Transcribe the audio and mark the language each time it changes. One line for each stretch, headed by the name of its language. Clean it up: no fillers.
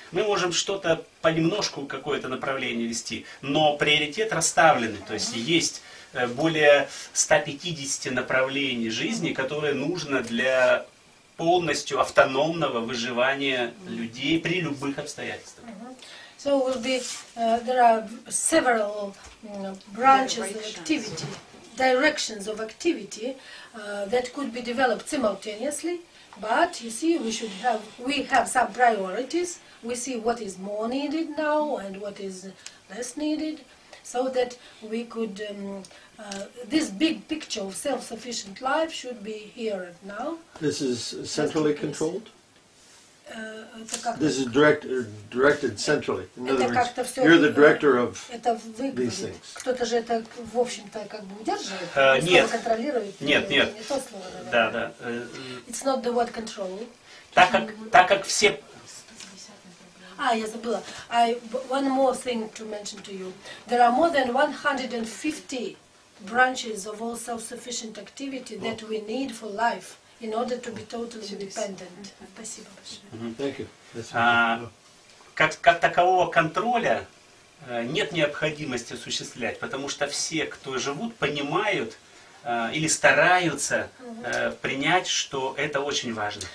Russian: Мы можем что-то понемножку, какое-то направление вести, но приоритет расставленный. То есть есть более 150 направлений жизни, которые нужно для полностью автономного выживания людей при любых обстоятельствах.
English: So will be there are several branches directions. Of activity, directions of activity that could be developed simultaneously. But you see, we have some priorities. We see what is more needed now and what is less needed, so that we could this big picture of self-sufficient life should be here and now. This is centrally controlled. This is directed centrally. In other words, you're the director of these things.
Russian: Кто-то же это, в общем-то, как бы удерживает, не то контролирует. Нет. Не то слово. Да.
English: It's not the word control.
Russian: Так как все... Я забыла.
English: One more thing to mention to you. There are more than 150 branches of all self-sufficient activity that we need for life. In order to be totally independent.
Russian: Спасибо большое.
English: Thank you.
Russian: Как такового контроля нет необходимости осуществлять, потому что все, кто живут, понимают или стараются принять, что это очень важно.